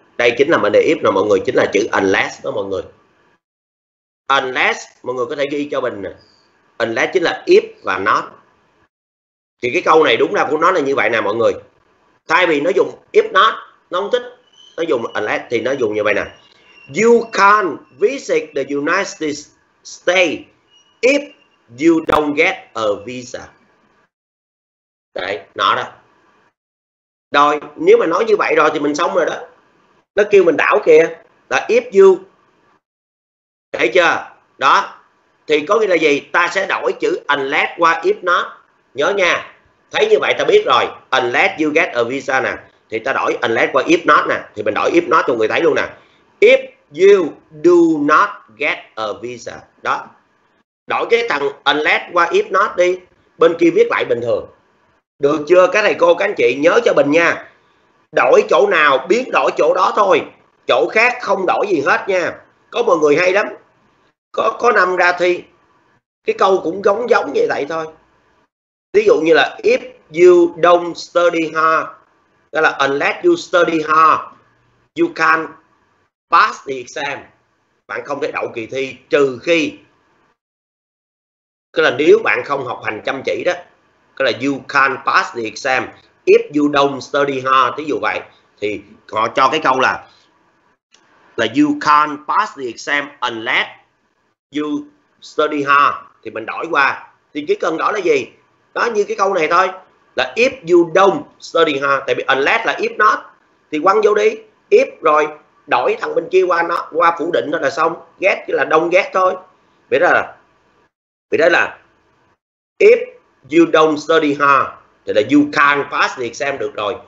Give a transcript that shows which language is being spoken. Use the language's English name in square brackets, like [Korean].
[Vietnamese] Đây chính là mệnh đề if nè mọi người, chính là chữ unless đó mọi người. Unless mọi người có thể ghi cho Bình nè. Unless chính là if và not. Thì cái câu này đúng ra của nó là như vậy nè mọi người. Thay vì nó dùng if not, nó không thích. Nó dùng unless thì nó dùng như vậy nè. [English] You can't visit the United States if you don't get a visa. [Vietnamese] Đấy, nó đó. Rồi, nếu mà nói như vậy rồi thì mình xong rồi đó. Nó kêu mình đảo kìa. Là [English] if you. [Vietnamese] Thấy chưa? Đó. Thì có nghĩa là gì? Ta sẽ đổi chữ unless qua if not. Nhớ nha. Thấy như vậy ta biết rồi. [English] Unless you get a visa [Vietnamese] nè. Thì ta đổi unless qua if not nè. Thì mình đổi if not cho người thấy luôn nè. [English] If you do not get a visa. [Vietnamese] Đó. Đổi cái thằng unless qua if not đi. Bên kia viết lại bình thường. Được chưa? Các thầy cô, các anh chị nhớ cho Bình nha. Đổi chỗ nào biến đổi chỗ đó thôi. Chỗ khác không đổi gì hết nha. Có mọi người hay lắm. Có năm ra thi. Cái câu cũng giống giống vậy vậy thôi. Ví dụ như là [English] if you don't study hard. [Vietnamese] Đó là [English] unless you study hard, you can't pass the exam. [Vietnamese] Bạn không thể đậu kỳ thi trừ khi. Cái là nếu bạn không học hành chăm chỉ đó. Cái là [English] you can't pass the exam. If you don't study hard, [Vietnamese] ví dụ vậy. Thì họ cho cái câu là là [English] you can't pass the exam unless you study hard. [Vietnamese] Thì mình đổi qua, thì cái cần đổi là gì? Đó như cái câu này thôi, là [English] if you don't study hard, [Vietnamese] tại vì unless là if not, thì quăng vô đi, if rồi đổi thằng bên kia qua nó, qua phủ định thôi là xong, get là don't get thôi. Vậy đó là [English] if you don't study hard [Vietnamese] thì là [English] you can't pass the exam [Vietnamese] được rồi.